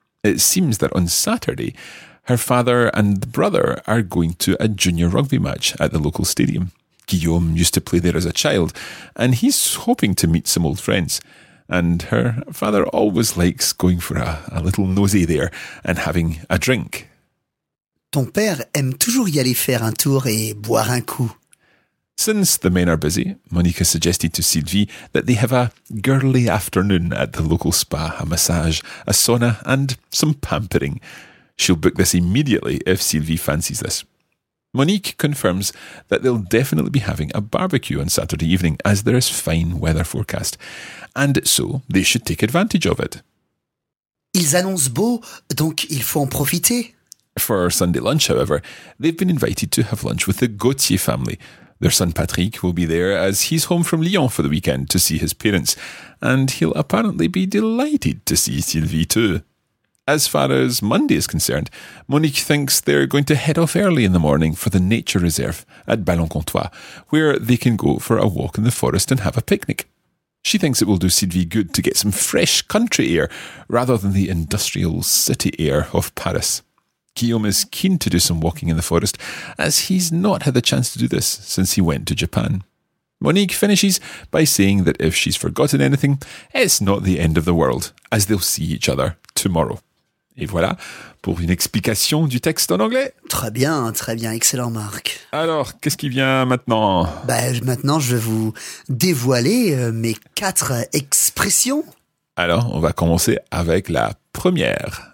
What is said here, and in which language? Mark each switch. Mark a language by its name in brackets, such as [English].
[English] It seems that on Saturday, her father and the brother are going to a junior rugby match at the local stadium. Guillaume used to play there as a child, and he's hoping to meet some old friends. And her father always likes going for a little nosy there and having a drink. [French] Ton père aime toujours y aller faire un tour et boire un coup. [English] Since the men are busy, Monica suggested to Sylvie that they have a girly afternoon at the local spa, a massage, a sauna and some pampering. She'll book this immediately if Sylvie fancies this. Monique confirms that they'll definitely be having a barbecue on Saturday evening as there is fine weather forecast, and so they should take advantage of it. [French] Ils annoncent beau, donc il faut en profiter. [English] For Sunday lunch, however, they've been invited to have lunch with the Gautier family. Their son Patrick will be there as he's home from Lyon for the weekend to see his parents, and he'll apparently be delighted to see Sylvie too. As far as Monday is concerned, Monique thinks they're going to head off early in the morning for the nature reserve at Ballons Comtois, where they can go for a walk in the forest and have a picnic. She thinks it will do Sylvie good to get some fresh country air rather than the industrial city air of Paris. Guillaume is keen to do some walking in the forest, as he's not had the chance to do this since he went to Japan. Monique finishes by saying that if she's forgotten anything, it's not the end of the world, as they'll see each other tomorrow. [French] Et voilà pour une explication du texte en anglais. Très bien, excellent Marc. Alors, qu'est-ce qui vient maintenant? Maintenant, je vais vous dévoiler mes quatre expressions. Alors, on va commencer avec la première.